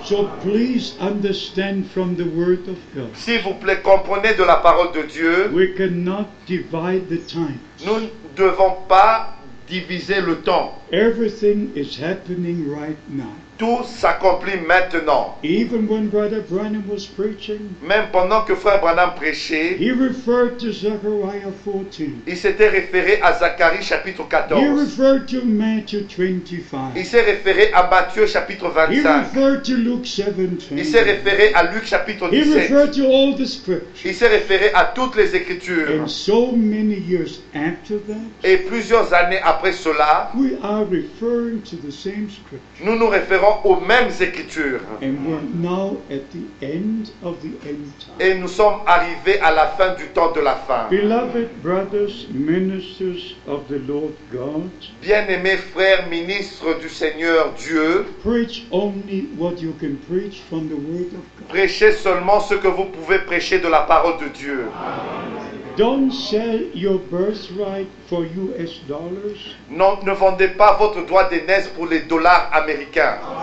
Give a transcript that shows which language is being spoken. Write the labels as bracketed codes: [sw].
[en] So please understand from the word of God. [fr] S'il vous plaît, comprenez de la parole de Dieu. [en] We cannot divide the times. [fr] Nous ne devons pas diviser le temps. [en] Everything is happening right now. [fr] Tout s'accomplit maintenant. [en] Even when Brother Branham was preaching, [fr] même pendant que Frère Branham prêchait, [en] he referred to Zechariah 14. [fr] Il s'était référé à Zacharie chapitre 14. [en] He referred to Matthew 25. [fr] Il s'est référé à Matthieu chapitre 25. [en] He referred to Luke 17. [fr] Il s'est référé à Luc chapitre 17. [en] He referred to all the scriptures. [fr] Il s'est référé à toutes les Écritures. [en] And so many years after that, [fr] et plusieurs années après cela, [en] we are referring to the same scripture. [fr] Nous nous référons aux mêmes écritures. [en] And we're now at the end of the end time. [fr] Et nous sommes arrivés à la fin du temps de la fin. [en] Beloved brothers, ministers of the Lord God, [fr] bien-aimés frères, ministres du Seigneur Dieu, [en] preach only what you can preach from the word of God. [fr] Prêchez seulement ce que vous pouvez prêcher de la parole de Dieu. [en] Amen. Don't sell your birthright for US dollars. [fr] Non, ne vendez pas votre droit d'aînesse pour les dollars américains.